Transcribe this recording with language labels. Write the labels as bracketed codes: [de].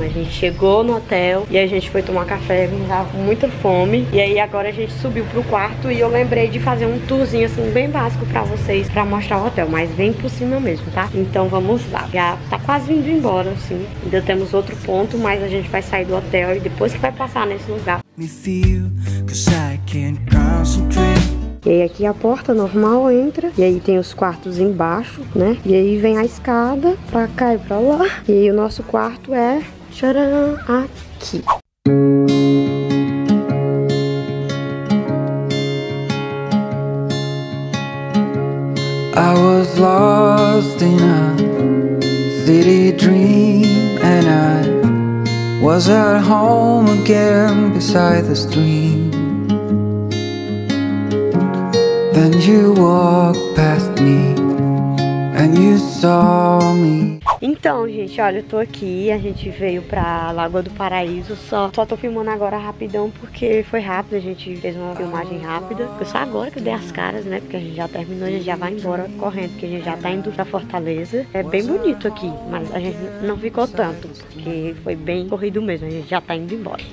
[pt] Chegou no hotel e a gente foi tomar café, a gente tava com muita fome. E aí agora a gente subiu pro quarto e eu lembrei de fazer um tourzinho assim bem básico pra vocês, pra mostrar o hotel, mas bem por cima mesmo, tá? Então vamos lá. Já tá quase indo embora, assim. Ainda temos outro ponto, mas a gente vai sair do hotel e depois que vai passar nesse lugar. [en] Me feel, cause I can't concentrate. [pt] E aí aqui a porta normal entra, e aí tem os quartos embaixo, né? E aí vem a escada pra cá e pra lá. E aí o nosso quarto é... tcharam, aqui. [en] I was lost in a city dream, and I was at home again beside the stream. Then you walked past me and you saw me. [pt] Então, gente, olha, eu tô aqui, a gente veio pra Lagoa do Paraíso, só tô filmando agora rapidão porque foi rápido, a gente fez uma filmagem rápida. Foi só agora que eu dei as caras, né, porque a gente já terminou, a gente já vai embora correndo, porque a gente já tá indo pra Fortaleza. É bem bonito aqui, mas a gente não ficou tanto, porque foi bem corrido mesmo, a gente já tá indo embora.